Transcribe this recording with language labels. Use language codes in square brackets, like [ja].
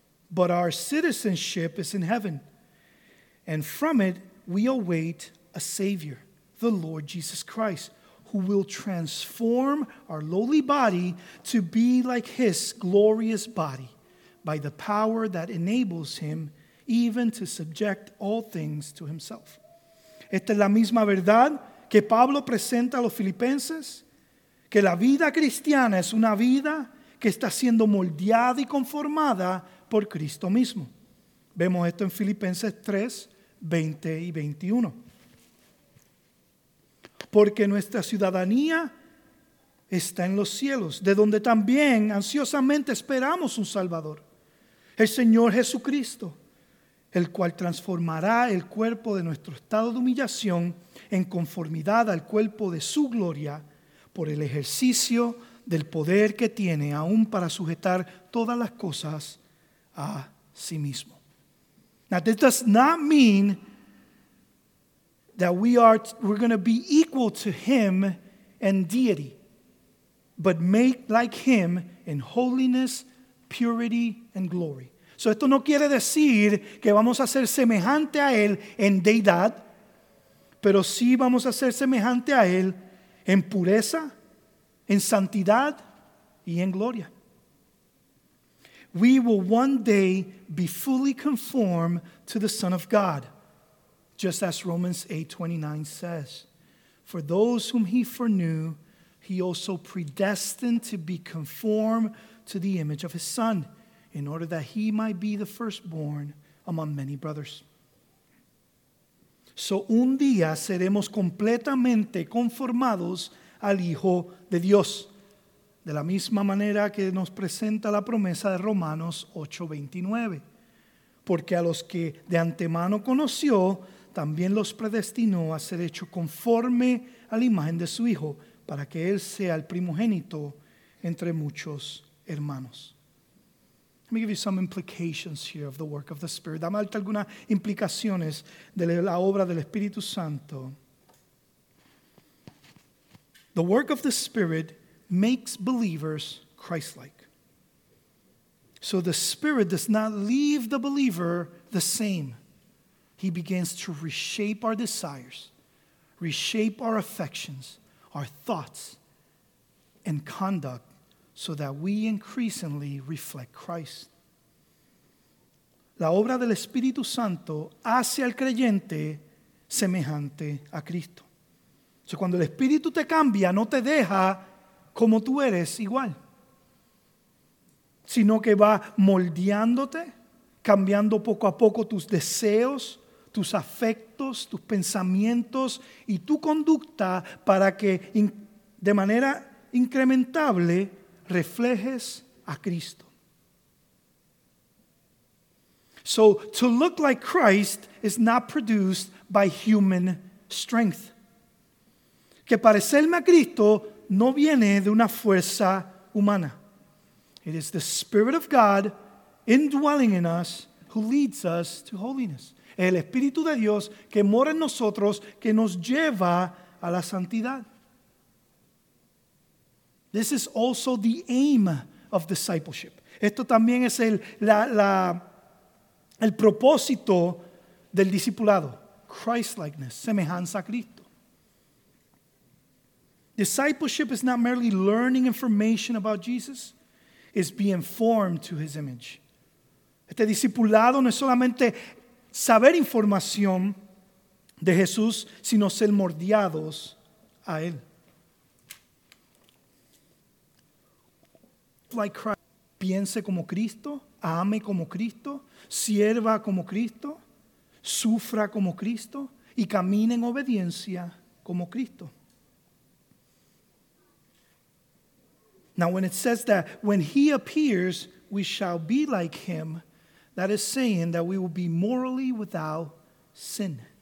[en] But our citizenship is in heaven, and from it we await a Savior, the Lord Jesus Christ, who will transform our lowly body to be like his glorious body by the power that enables him even to subject all things to himself. [es] Esta es la misma verdad que Pablo presenta a los filipenses, que la vida cristiana es una vida que está siendo moldeada y conformada por Cristo mismo. Vemos esto en Filipenses 3, 20 y 21. Porque nuestra ciudadanía está en los cielos, de donde también ansiosamente esperamos un Salvador, el Señor Jesucristo, el cual transformará el cuerpo de nuestro estado de humillación en conformidad al cuerpo de su gloria por el ejercicio del poder que tiene aún para sujetar todas las cosas a sí mismo. [en] Now, this does not mean that we're going to be equal to him in deity, but made like him in holiness, purity, and glory. [es] So esto no quiere decir que vamos a ser semejante a él en deidad, pero sí vamos a ser semejante a él en pureza, en santidad y en gloria. [en] We will one day be fully conformed to the Son of God, just as Romans 8:29 says, for those whom he foreknew, he also predestined to be conformed to the image of his Son, in order that he might be the firstborn among many brothers. [es] So un día seremos completamente conformados al Hijo de Dios, de la misma manera que nos presenta la promesa de Romanos 8:29. Porque a los que de antemano conoció, también los predestinó a ser hecho conforme a la imagen de su Hijo, para que él sea el primogénito entre muchos hermanos. [en] Let me give you some implications here of the work of the Spirit. [es] Dame algunas implicaciones de la obra del Espíritu Santo. [en] The work of the Spirit makes believers Christ-like. So the Spirit does not leave the believer the same. He begins to reshape our desires, reshape our affections, our thoughts, and conduct so that we increasingly reflect Christ. [es] La obra del Espíritu Santo hace al creyente semejante a Cristo. So cuando el Espíritu te cambia, no te deja como tú eres igual, sino que va moldeándote, cambiando poco a poco tus deseos, tus afectos, tus pensamientos y tu conducta para que de manera incrementable reflejes a Cristo. [en] So to look like Christ is not produced by human strength. [es] Que parecerme a Cristo no viene de una fuerza humana. [en] It is the Spirit of God indwelling in us who leads us to holiness. [es] Es el Espíritu de Dios que mora en nosotros que nos lleva a la santidad. [en] This is also the aim of discipleship. [es] Esto también es el propósito del discipulado. [en] Christ-likeness, [es] semejanza a Cristo. [en] Discipleship is not merely learning information about Jesus, it's being formed to his image. [es] Este discipulado no es solamente saber información de Jesús, sino ser moldeados a él. [en] Like Christ, [es] piense como Cristo, ame como Cristo, sirva como Cristo, sufra como Cristo y camine en obediencia como Cristo. [en] Now, when it says that when he appears, we shall be like him, that is saying that we will be morally without sin.